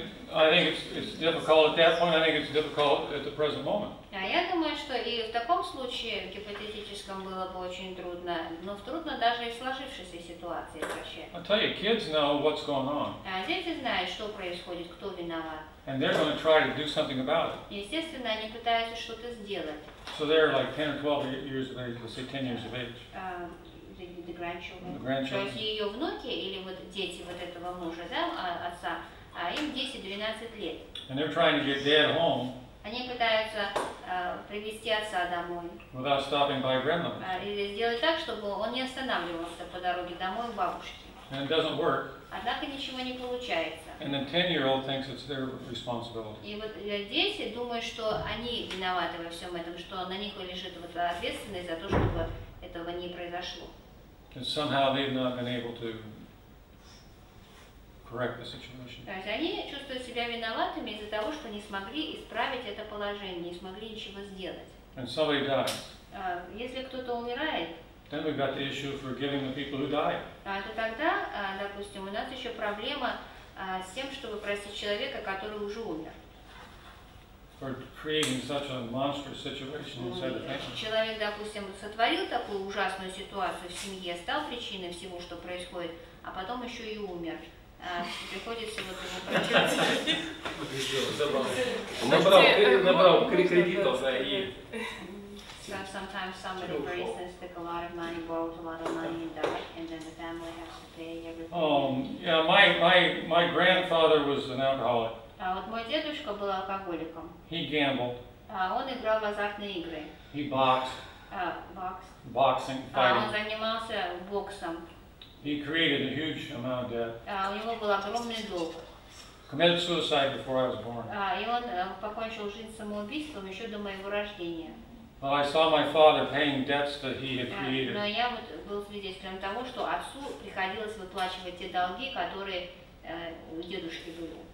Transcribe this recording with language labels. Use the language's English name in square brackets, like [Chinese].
[English] I think it's difficult at that point. I think it's difficult at the present moment. [Russian] А я думаю, что и в таком случае, в гипотетическом, было бы очень трудно, но трудно даже и в сложившейся ситуации прощать. [English] I tell you, kids know what's going on. [Russian] А дети знают, что происходит, кто виноват. [English] And they're going to try to do something about it. [Russian] Естественно, они пытаются что-то сделать. [English] So they're like 10 or 12 years of age, let's say 10 years of age. The grandchildren. [Russian] То есть ее внуки или вот дети вот этого мужа, да, отца, а им 10-12 лет. [English] And they're trying to get dad home. [Russian] Они пытаются привести отца домой. [English] Without stopping by grandmother. [Russian] Или сделать так, чтобы он не останавливался по дороге домой к бабушке. [English] and it doesn't work. [Russian] Однако ничего не получается. [English] And then 10-year-old thinks it's their responsibility. [Russian] И вот дети думают, что они виноваты во всем этом, что на них лежит вот ответственность за то, чтобы этого не произошло. [English] And somehow they've not been able to correct the situation. [Russian] То есть они чувствуют себя виноватыми из-за того, что не смогли исправить это положение, не смогли ничего сделать. [English] And somebody dies. [Russian] Если кто-то умирает, [English] then we've got the issue of forgiving the people who died. [Russian] То тогда, допустим, у нас еще проблема с тем, чтобы простить человека, который уже умер. [English] For creating such a monstrous situation inside the family. [Russian] Человек, допустим, сотворил такую ужасную ситуацию в семье, стал причиной всего, что происходит, а потом еще и умер. Приходится вот ему прощаться. Набрал кредитов, да, и... [English] Sometimes somebody, for instance, took a lot of money, borrowed a lot of money, and died, and then the family has to pay everything. Yeah, my grandfather was an alcoholic. [Russian] Вот мой дедушка был алкоголиком. [English] He gambled. [Russian] Он играл в азартные игры. [English] He boxed. Boxing. [Russian] Он занимался боксом. [English] He created a huge amount of debt. [Russian] У него был огромный долг. [English] Committed suicide before I was born. [Russian] И он покончил жизнь самоубийством еще до моего рождения. [English] Well, I saw my father paying debts that he had created. [Russian] Но я вот был свидетелем того, что отцу приходилось выплачивать те долги, которые у дедушки были.